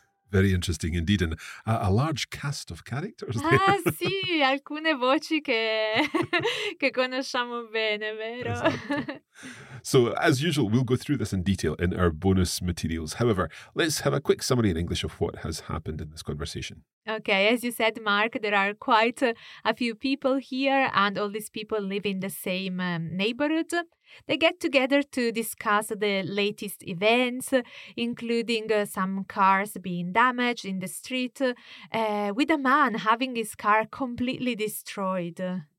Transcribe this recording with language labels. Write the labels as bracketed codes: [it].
[en] Very interesting indeed, and a large cast of characters there. [it] Ah sì, alcune voci che che conosciamo bene, vero? Esatto. [en] So, as usual, we'll go through this in detail in our bonus materials. However, let's have a quick summary in English of what has happened in this conversation. Okay, as you said, Mark, there are quite a few people here, and all these people live in the same neighborhood. They get together to discuss the latest events, including some cars being damaged in the street, with a man having his car completely destroyed.